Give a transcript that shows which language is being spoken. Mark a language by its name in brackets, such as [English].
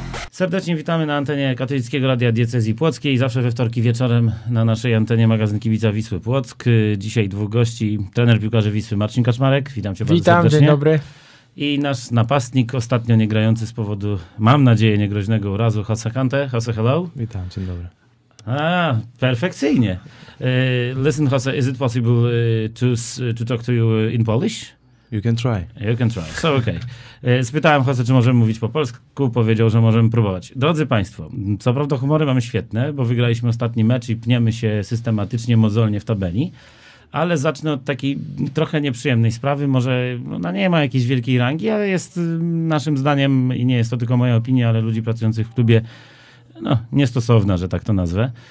[Polish] Serdecznie witamy na antenie Katolickiego Radia Diecezji Płockiej. Zawsze we wtorki wieczorem na naszej antenie magazyn kibica Wisły Płock. Dzisiaj dwóch gości, trener piłkarzy Wisły Marcin Kaczmarek. Witam cię bardzo serdecznie. Witam, dzień dobry. I nasz napastnik, ostatnio nie grający z powodu, mam nadzieję, niegroźnego urazu, Jose Kante. [English] Jose, hello. [Polish] Witam, dzień dobry. Perfekcyjnie. [English] Listen, Jose, is it possible to talk to you in Polish? You can try. So, okay. [Polish] Spytałem Jose, czy możemy mówić po polsku. Powiedział, że możemy próbować. Drodzy Państwo, co prawda humory mamy świetne, bo wygraliśmy ostatni mecz i pniemy się systematycznie, mozolnie w tabeli. Ale zacznę od takiej trochę nieprzyjemnej sprawy. Może ona nie ma jakiejś wielkiej rangi, ale jest naszym zdaniem, i nie jest to tylko moja opinia, ale ludzi pracujących w klubie, no, niestosowna, że tak to nazwę.